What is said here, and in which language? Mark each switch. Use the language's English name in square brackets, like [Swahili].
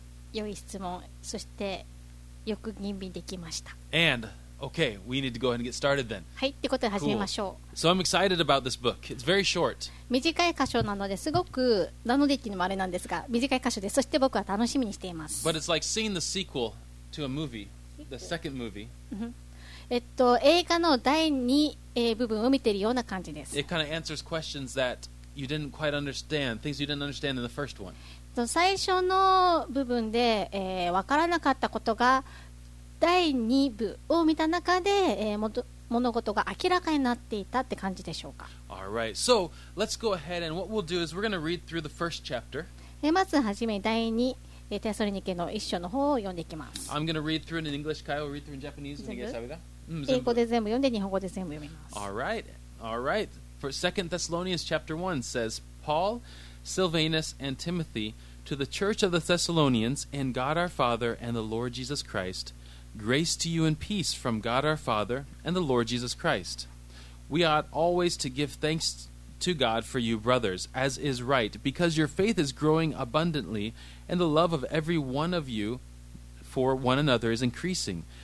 [Japanese] 良い質問、そしてよく吟味できました。 [English] And, okay, we need to go ahead and get started then. [Japanese] はい、ってことで始めましょう。 [English] So I'm excited about this book. It's very short. [Japanese] 短い箇所なのですごく、なのでっていうのもあれなんですが、短い箇所で、そして僕は楽しみにしています。 [English] But it's like seeing the sequel to a movie, the second movie. [Japanese] 映画の第二、部分を見ているような感じです。 [English] It kind of answers questions that you didn't quite understand, things you didn't understand in the first one. [Japanese] 最初の部分で、分からなかったことが第二部を見た中で、物事が明らかになっていたって感じでしょうか。 [English] All right, so let's go ahead and what we'll do is we're going to read through the first chapter. [Japanese] まずはじめ第二テソロニケの一章の方を読んでいきます。 [English] I'm going to read through it in English. Kyle will read through in Japanese. [Japanese] 全部英語で全部読んで日本語で全部読みます。 [English] Alright, alright. For 2 Thessalonians chapter 1 says, Paul, Silvanus, and Timothy, to the church of the Thessalonians, and God our Father, and the Lord Jesus Christ, grace to you and peace from God our Father, and the Lord Jesus Christ. We ought always to give thanks to God for you, brothers, as is right, because your faith is growing abundantly, and the love of every one of you for one another is increasing.